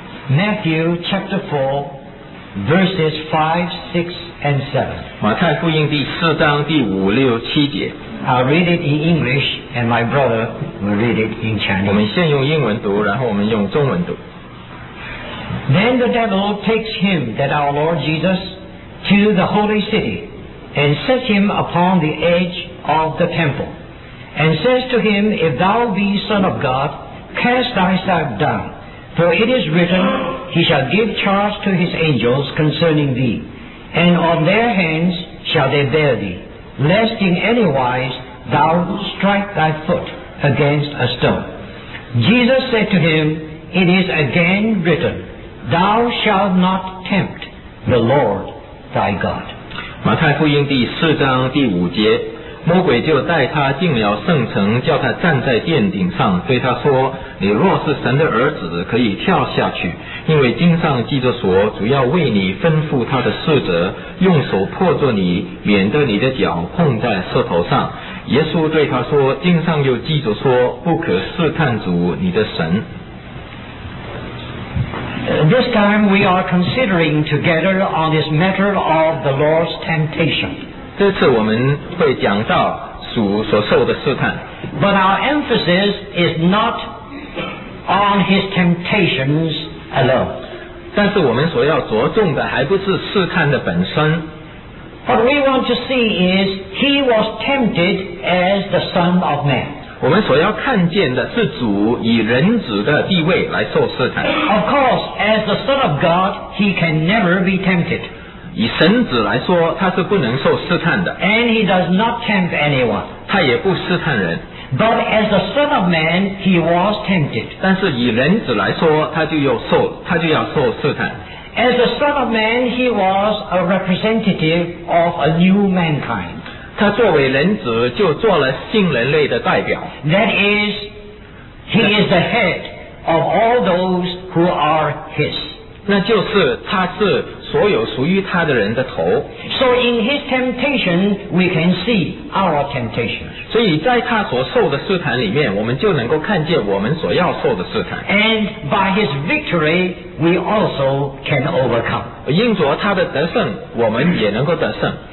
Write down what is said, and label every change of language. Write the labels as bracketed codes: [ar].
[en] Matthew chapter 4 verses 5, 6 and 7 [zh] 马太福音第四章第五六七节 [en] I'll read it in English and my brother will read it in Chinese. [zh] 我们先用英文读，然后我们用中文读。 [en] Then the devil takes him, that our Lord Jesus, to the holy city and sets him upon the edge of the temple and says to him, If thou be Son of God, cast thyself down. For it is written, He shall give charge to his angels concerning thee, and on their hands shall they bear thee. Lest in any wise thou strike thy foot against a stone. Jesus said to him, It is again written, Thou shalt not tempt the Lord thy God. [zh] 马太福音第四章第五节，魔鬼就带他进了圣城，叫他站在殿顶上，对他说，你若是神的儿子，可以跳下去，因为经上记着说，主要为你吩咐他的事责，用手破着你，免得你的脚碰在石头上。耶稣对他说，经上又记着说，不可试探主你的神。 [en] This time we are considering together on this matter of the Lord's temptation. [zh] 这次我们会讲到主所受的试探 [en] But our emphasis is not on his temptations alone. [zh] 但是我们所要着重的还不是试探的本身 [en] What we want to see is he was tempted as the Son of Man. [zh] 我们所要看见的是主以人子的地位来受试探 [en] Of course, as the Son of God, he can never be tempted. [zh] 以神子来说他是不能受试探的 [en] and he does not tempt anyone [zh] 他也不试探人 [en] but as the son of man he was tempted [zh] 但是以人子来说他就要受试探 [en] as the son of man he was a representative of a new mankind [zh] 他作为人子就做了新人类的代表 [en] that is he is the head of all those who are his [zh] 那就是他是所有属于他的人的头 [en] So in his temptation we can see our temptation [zh] 所以在他所受的试探里面我们就能够看见我们所要受的试探 [en] And by his victory we also can overcome [zh] 因着他的得胜我们也能够得胜